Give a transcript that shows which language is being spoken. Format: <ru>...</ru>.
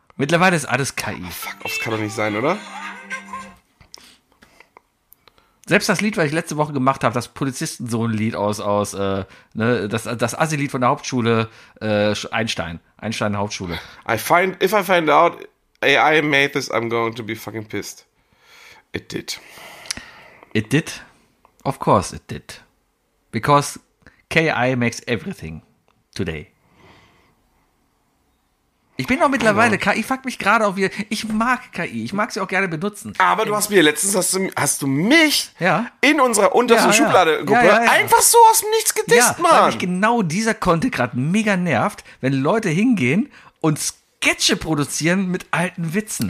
<de>Mittlerweile ist alles KI. Oh, fuck, das kann doch nicht sein, oder? Selbst das Lied, was ich letzte Woche gemacht habe, das Polizistensohn-Lied das Assi-Lied von der Hauptschule, Einstein Hauptschule.</de> <en>If I find out AI made this, I'm going to be fucking pissed. It did. It did? Of course it did. Because KI makes everything today.</en> <de>Ich bin auch mittlerweile, KI fuckt mich gerade auf ihr. Ich mag KI, ich mag sie auch gerne benutzen. Aber du hast mir letztens, hast du mich ja. in unserer untersten ja, Schublade-Gruppe ja. Ja, ja, ja. einfach so aus dem Nichts gedisst, ja, Mann. Weil mich genau dieser Content gerade mega nervt, wenn Leute hingehen und Sketche produzieren mit alten Witzen.</de>